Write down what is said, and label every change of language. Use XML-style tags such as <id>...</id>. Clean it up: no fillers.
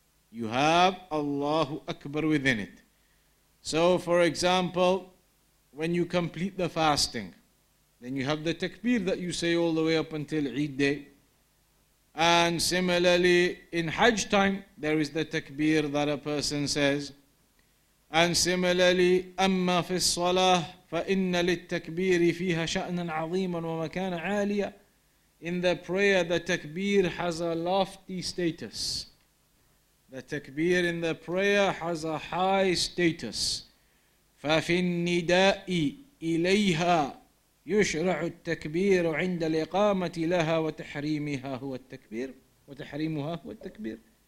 <en>You have Allahu Akbar within it. So for example, when you complete the fasting, then you have the takbir that you say all the way up until Eid day. And similarly, in Hajj time, there is the takbir that a person says. And similarly,</en> <ar>أَمَّا فِي الصَّلَاةِ فَإِنَّ لِلتَّكْبِيرِ فِيهَا شَأْنًا عَظِيمًا وَمَكَانًا عَالِيًا.</ar> <en>In the prayer, the takbir has a lofty status. The takbir in the prayer has a high status.</en> <ar>فَفِي النِّدَاءِ إِلَيْهَا يُشْرَعُ التَّكْبِيرُ عِنْدَ الْإِقَامَةِ لَهَا وَتَحْرِيمِهَا هُوَ التَّكْبِيرُ وَتَحْرِيمُهَا هُوَ التَّكْبِيرُ.</ar>